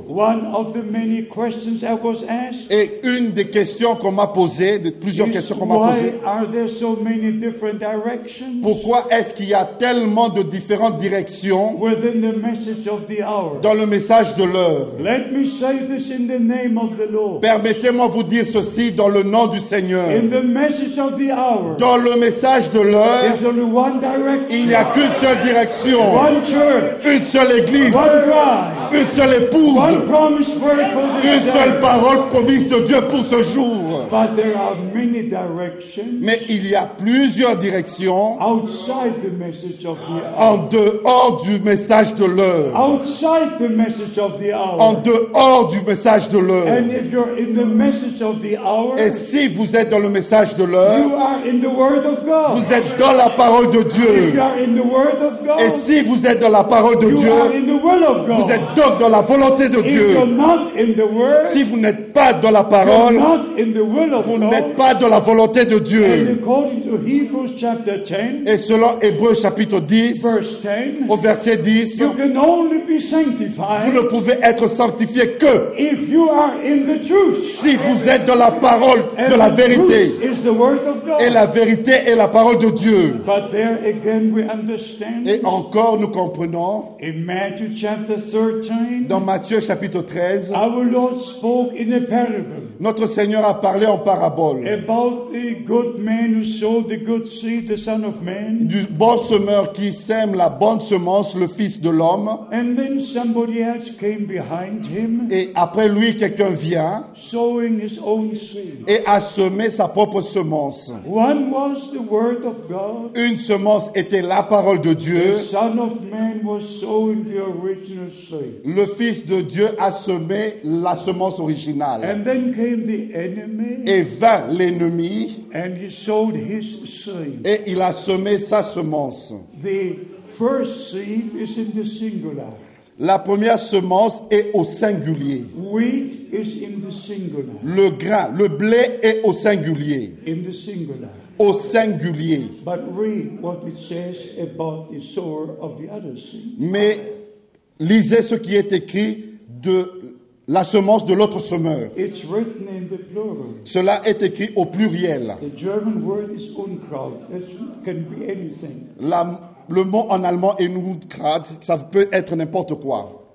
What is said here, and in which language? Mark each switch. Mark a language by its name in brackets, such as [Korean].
[English] One of the many questions I was asked [French] et une des questions qu'on m'a posées, de plusieurs questions qu'on m'a [English] why [French] posées, [English] are there so many different directions? [French] Pourquoi est-ce qu'il y a tellement de différentes directions [English] within the message of the hour. [French] Dans le message de l'heure. [English] Let me say this in the name of the Lord. [French] Permettez-moi vous dire ceci dans le nom du Seigneur. [English] In the message of the hour, [French] dans le message de l'heure, [English] there's only one direction. [French] Il n'y a qu'une seule direction. [English] One church, [French] une seule église. [English] One bride, [French] une seule épouse. [English] One promise word for this [French] une seule [English] day. [French] Parole promise de Dieu pour ce jour. [English] But there are many directions. [French] Mais il y a plusieurs directions. [English] Outside the message of the hour. [French] En dehors du message de l'heure. [English] Outside the message of the hour. [French] En dehors du message de l'heure. [English] And if you're in the message of the hour, [French] et si vous êtes dans le message de l'heure, [English] you are in the word of God. [French] Vous êtes dans la parole de Dieu. [English] If you are in the word of God, [French] et si vous êtes dans la parole de [English] you [French] Dieu, [English] are in the will of God. [French] Vous êtes donc dans la volonté de [English] if [French] Dieu. [English] You're not in the word, [French] si vous n'êtes pas dans la parole, [English] you're not in the will of [French] vous [English] God, [French] n'êtes pas dans la volonté de Dieu. [English] And according to Hebrews chapter 10, [French] et selon Hébreux chapitre 10, [English] verse 10, [French] au verset 10, [English] you can only be sanctified [French] vous ne pouvez être sanctifié que [English] if you are in the truth, [French] si vous êtes dans la parole de la vérité. [English] Is the word of God. [French] Et la vérité est la parole de Dieu. [English] But there again we understand, [French] et encore nous comprenons [English] in Matthew chapter 13, [French] dans Matthieu chapitre 13, [English] our Lord spoke in a parable. [French] Notre Seigneur a parlé en parabole [English] about the good man who sowed the good seed, the son of man. [French] Du bon semeur qui sème la bonne semence, le fils de l'homme. [English] And then somebody else came behind him, [French] et après lui, quelqu'un vient [English] sowing his own seed. [French] Et a semé sa propre semence. [English] One was the word of God, [French] une semence était la parole de Dieu. [English] The son of man was sowing the original seed. [French] Le fils de Dieu a semé la semence originale. [English] And then came the enemy, [French] et vint l'ennemi. [English] And he sowed his seed. [French] Et il a semé sa semence. [English] The first seed is in the singular. [French] La première semence est au singulier. [English] Wheat is in the singular. [French] Le grain, le blé est au singulier. [English] In the singular. [French] Au singulier. [English] But read what it says about the sower of the other seed. [French] Mais lisez ce qui est écrit de la semence de l'autre semeur. [English] It's written in the plural. [French] Cela est écrit au pluriel. [English] The German word is Unkraut. It can be anything. [French] Le mot en allemand est Unkraut. Ça peut être n'importe quoi.